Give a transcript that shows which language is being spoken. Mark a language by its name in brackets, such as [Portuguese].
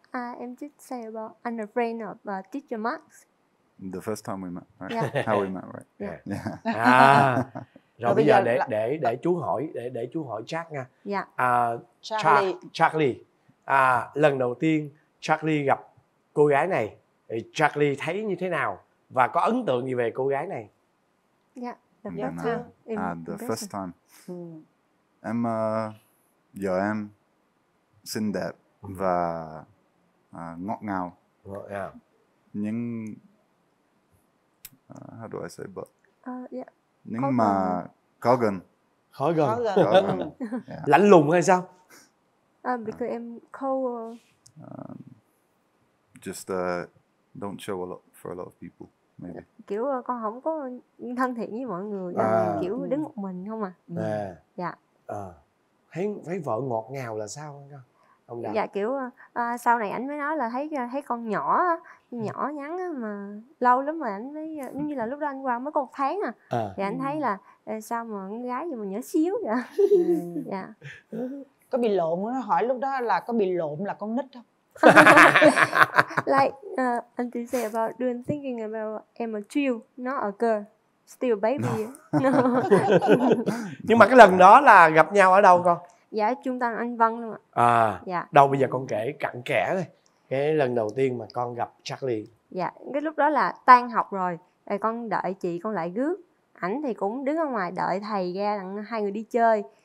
[English] I'm just say about I'm a friend of teacher Max. The first time we met. Right? Yeah. How we met, right? Yeah. Yeah. À. [Vietnamese] Rồi bây giờ để chú hỏi để chú hỏi Jack nha. [English] Yeah. Charlie. [Vietnamese] À, lần đầu tiên Charlie gặp cô gái này thì Charlie thấy như thế nào và có ấn tượng gì về cô gái này? [English] Yeah. The first time. [Vietnamese] Em giờ em xinh đẹp và ngọt ngào. [English] Well, yeah. Nhưng how do I say but? Yeah. [Vietnamese] Nhưng mà khó gần. Khó gần. Khó gần. Khó gần. Yeah. Lạnh lùng hay sao? [English] Because em cold. Just don't show a lot for a lot of people, maybe. [Vietnamese] Kiểu con không có thân thiện với mọi người, kiểu đứng một mình không à. Dạ. [English] Yeah. [Vietnamese] Thấy vợ ngọt ngào là sao con? Ông đã. Dạ kiểu sau này anh mới nói là thấy con nhỏ nhắn mà lâu lắm mà anh mới giống như là lúc đó anh qua mới có một tháng à. Thì anh thấy là sao mà con gái gì mà nhỏ xíu vậy. Dạ. Có bị lộn á, hỏi lúc đó là có bị lộn là con nít không? [English] Like until say about doing thinking about em a child, not a girl, still baby. No. No. [Vietnamese] Nhưng mà cái lần đó là gặp nhau ở đâu con? Dạ trung tâm Anh Văn luôn ạ. À, dạ. Đâu bây giờ con kể cặn kẽ thôi. Cái lần đầu tiên mà con gặp Charlie. Dạ, cái lúc đó là tan học rồi. Con đợi chị con lại rước. Ảnh thì cũng đứng ở ngoài đợi thầy ra đặng hai người đi chơi.